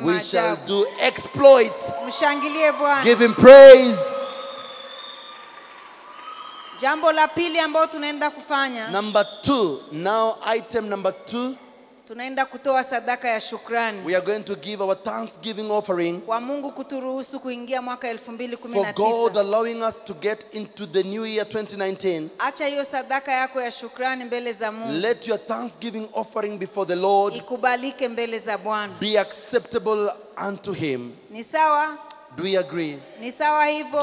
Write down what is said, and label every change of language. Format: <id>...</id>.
<sw>maajabu.</sw> <en>We shall do exploits.</en> <sw>Mshangilie Bwana.</sw> <en>Give him praise.</en> <sw>Jambo la pili ambao tunaenda kufanya.</sw> <en>Number 2. Now item number 2.</en> <sw>Tunaenda kutoa sadaka ya shukrani.</sw> <en>We are going to give our thanksgiving offering.</en> <sw>Kwa Mungu kuturuhusu kuingia mwaka 2019.</sw> <en>For God allowing us to get into the new year 2019.</en> <sw>Acha hiyo sadaka yako ya shukrani mbele za Mungu.</sw> <en>Let your thanksgiving offering before the Lord.</en> <sw>Ikubalike mbele za Bwana.</sw> <en>Be acceptable unto him.</en> <sw>Ni sawa?</sw> <en>Do we agree?</en> <sw>Ni sawa hivyo?</sw>